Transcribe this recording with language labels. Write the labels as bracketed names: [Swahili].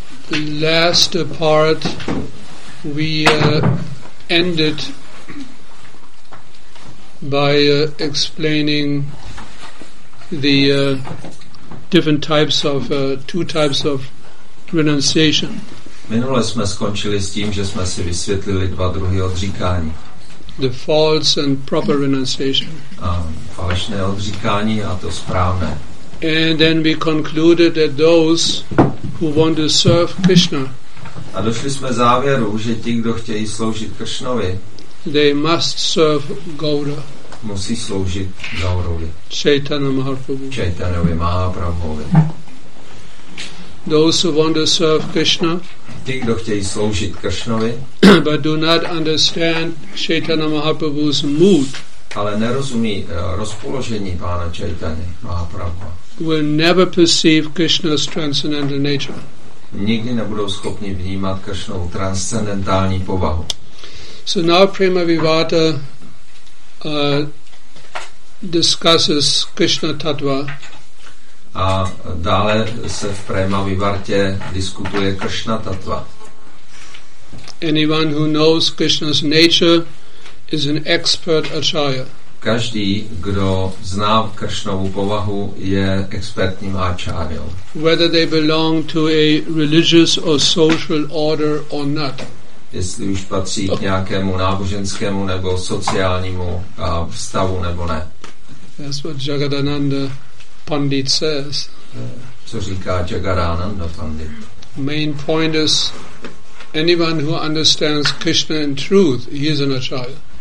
[English] The last part we ended by explaining the different types of two types of renunciation. [Czech] Minule jsme skončili s tím, že jsme si vysvětlili dva druhy odříkání. [English] The false and proper renunciation. [Czech] Falešné odříkání a to správné. [English] And then we concluded that those who want to serve Krishna. [Czech] A došli jsme závěru, že ti, kdo chtějí sloužit Kršnovi, [English] they must serve Gaura. [Czech] Musí sloužit Gaurovi. [English] Chaitanya Mahaprabhu. [Czech] Chaitanyovi Mahaprabhovi. [English] Those who want to serve Krishna. [Czech] Ti, kdo chtějí sloužit Kršnovi, [English] but do not understand Chaitanya Mahaprabhu's mood. [Czech] Ale nerozumí rozpoložení pána Chaitany Mahaprabhu. [English] Will never perceive Krishna's transcendental nature. [Czech] Nikdy nebudou schopni vnímat Kršnovu transcendentální povahu. [English] So now Prema Vivarta discusses Krishna Tattva. [Czech] A dále se v Prema Vivartě diskutuje Krishna Tattva. [English] Anyone who knows Krishna's nature is an expert acharya. [Czech] Každý, kdo zná Kršnovu povahu, je expertním acharyou. [English] Whether they belong to a religious or social order or not. [Czech] Jestli už patří k nějakému náboženskému nebo sociálnímu stavu nebo ne. [English] That's what Jagadananda Pandit says. [Czech] Co říká Jagadananda Pandit? [English] Main point is anyone who understands Krishna in truth, he is an acharya.